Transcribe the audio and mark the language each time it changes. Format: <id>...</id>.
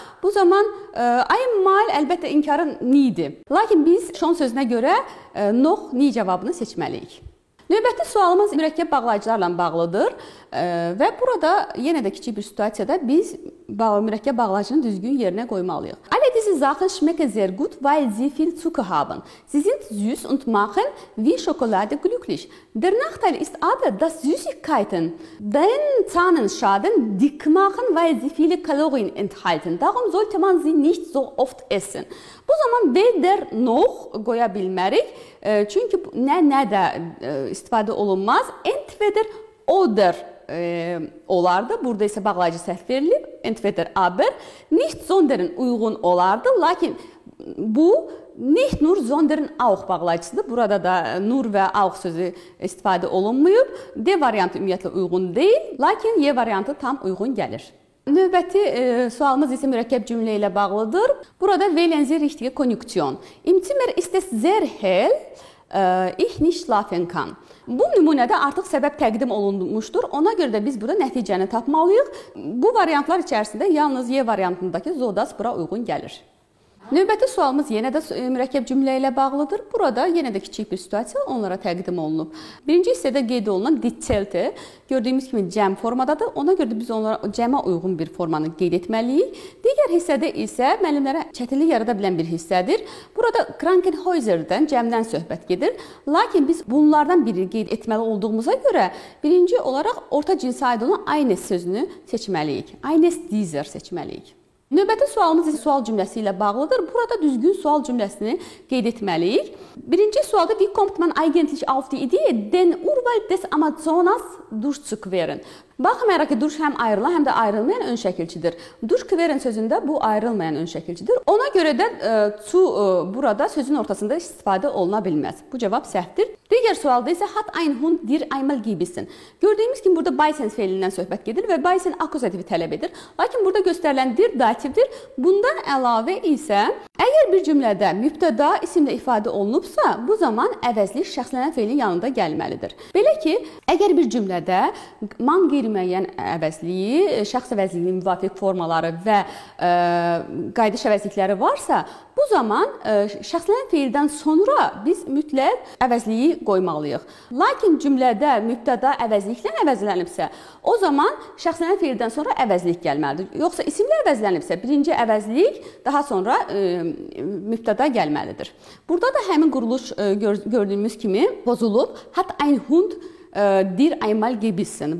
<az>Bu zaman einmal əlbəttə inkarın nie-dir. Lakin biz schon sözünə görə noch nie cavabını seçməliyik. Növbəti sualımız mürəkkəb bağlayıcılarla bağlıdır və burada yenə də kiçik bir situasiyada biz mürəkkəb bağlayıcını düzgün yerinə qoymalıyıq.</az> <de>Alle diese Sachen schmecken sehr gut, weil sie viel Zucker haben. Sie sind süß und machen wie Schokolade glücklich. Der Nachteil ist aber, dass Süßigkeiten den Zahnen schaden, dick machen, weil sie viele Kalorien enthalten. Darum sollte man sie nicht so oft essen.</de> <az>Bu zaman weder noch qoya bilmərik, çünki nə nə də istifadə olunmaz. Entweder oder olardı. Burada isə bağlayıcı səhv verilib. Entweder aber nicht sondern uyğun olardı. Lakin bu nicht nur sondern auch bağlayıcısıdır. Burada da nur və auch sözü istifadə olunmayıb. D variantı ümumiyyətlə uyğun deyil. Lakin Y variantı tam uyğun gəlir. Növbəti sualımız isə mürəkkəb cümlə ilə bağlıdır.</az> <de>Burada wählen Sie richtige Konjunktion. Im Zimmer ist es sehr hell, ich nicht schlafen kann.</de> <az>Bu nümunədə artıq səbəb təqdim olunmuşdur. Ona görə də biz burada nəticəni tapmalıyıq. Bu variantlar içərisində yalnız Y variantındakı Zodas bura uyğun gəlir. Növbəti sualımız yenə də mürəkkəb cümlə ilə bağlıdır. Burada yenə də kiçik bir situasiya onlara təqdim olunub. Birinci hissədə qeyd olunan dictelte gördüyümüz kimi cəm formadadır. Ona görə də biz onlara cəmə uyğun bir formanı qeyd etməliyik. Digər hissədə isə müəllimlərə çətinlik yarada bilən bir hissədir. Burada Krankenhäuser-dən cəmdən söhbət gedir. Lakin biz bunlardan birini qeyd etməli olduğumuza görə birinci olaraq orta cinsə aid olan eines sözünü seçməliyik. Eines dieser seçməliyik. Növbəti sualımız isə sual cümləsi ilə bağlıdır. Burada düzgün sual cümləsini qeyd etməliyik. Birinci sualda</az> <de>Wie kommt man eigentlich auf die Idee, den Urwald des Amazonas durchzuqueren?</de> <az>Baxmayaraq ki, durch həm ayrılan, həm də ayrılmayan ön şəkilçidir. Durchqueren sözündə bu ayrılmayan ön şəkilçidir. Ona görə də zu burada sözün ortasında istifadə oluna bilməz. Bu cavab səhvdir. Digər sualda isə</az> <de>hat ein Hund dir einmal gebissen.</de> <az>Gördüyümüz kimi burada beißen fəilindən söhbət gedir və beißen akkuzativi tələb edir. Lakin burada göstərilən dir dativdir. Bundan əlavə isə əgər bir cümlədə mübtəda isimlə ifadə olunubsa, bu zaman əvəzli şəxslənən fəilin yanında gəlməlidir. Belə ki, əgər bir cümlədə man qeyri-müəyyən əvəzliyi, şəxs əvəzliyinin müvafiq formaları və qayıdış əvəzlikləri varsa, bu zaman şəxslənən fəildən sonra biz mütləq əvəzliyi qoymalıyıq. Lakin cümlədə mübtəda əvəzliklə əvəzlənibsə, o zaman şəxslənən fəildən sonra əvəzlik gəlməlidir. Yoxsa isimlə əvəzlənibsə, birinci əvəzlik, daha sonra mübtəda gəlməlidir. Burada da həmin quruluş gördüyümüz kimi pozulub.</az> <de>Hat ein Hund dir einmal gebissen.</de>